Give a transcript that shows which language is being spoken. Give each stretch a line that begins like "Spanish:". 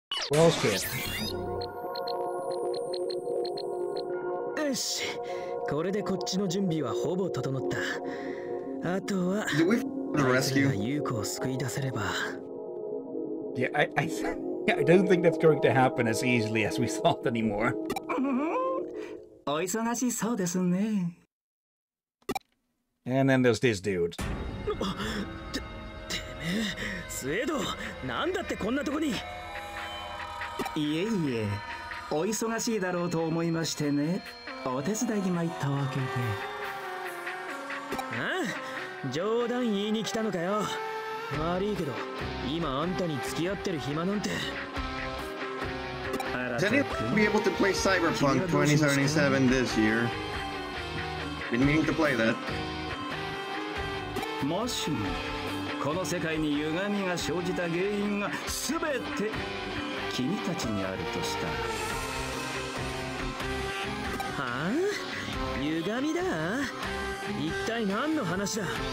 English: Well, shit.
Japanese: よし、これでこっちの準備はほぼ整った。あとは、ユーコを救い出せれば。
English: Yeah, I don't think that's going to happen as easily as we thought anymore.
Japanese: お忙しそうですね。
English: And then there's this dude.
Japanese: てめえ、スエド、なんだってこんなとこに。いえいえ、お忙しいだろうと思いましてね、お手伝いに参ったわけで。ああ、冗談言いに来たのかよ。悪いけど、今あんたに付き合ってる暇なんて。
English: Is anyone be able to play Cyberpunk 2077 this year? Been meaning to play that.
Japanese: もしもこの世界に歪みが生じた原因が全て君たちにあるとしたら。はあ、歪みだ。一体何の話だ。